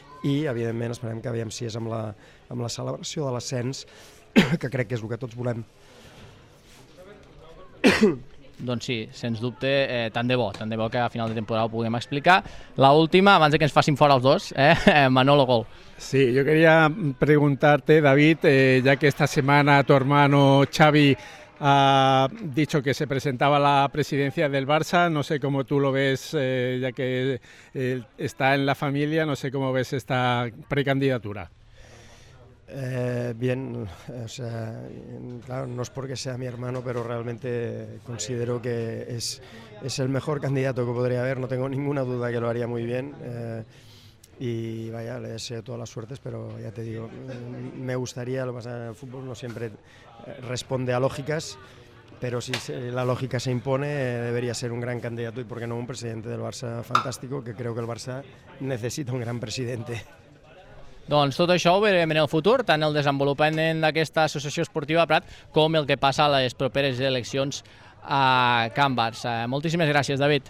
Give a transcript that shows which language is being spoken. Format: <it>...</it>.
<ca>I, evidentment, esperem que aviam si és amb la celebració de l'ascens, que crec que és el que tots volem. Doncs sí, sens dubte, tant de bo que a final de temporada ho puguem explicar. La última, abans que ens facin fora els dos, Manolo Gol.</ca> <es>Sí, jo quería preguntarte, David, ya que esta semana tu hermano Xavi ha dicho que se presentaba la presidencia del Barça, no sé cómo tú lo ves, ya que está en la familia, no sé cómo ves esta precandidatura. Bien, o sea, claro, no es porque sea mi hermano, pero realmente considero que es el mejor candidato que podría haber, no tengo ninguna duda que lo haría muy bien. Y vaya, le deseo todas las suertes, pero ya te digo, me gustaría, lo que pasa en el fútbol no siempre responde a lógicas, pero si la lógica se impone, debería ser un gran candidato y por qué no un presidente del Barça fantástico, que creo que el Barça necesita un gran presidente.</es> <ca>Doncs tot això ho veurem en el futur, tant el desenvolupament d'aquesta associació esportiva a Prat com el que passa a les properes eleccions a Can Barça. Moltíssimes gràcies, David.</ca>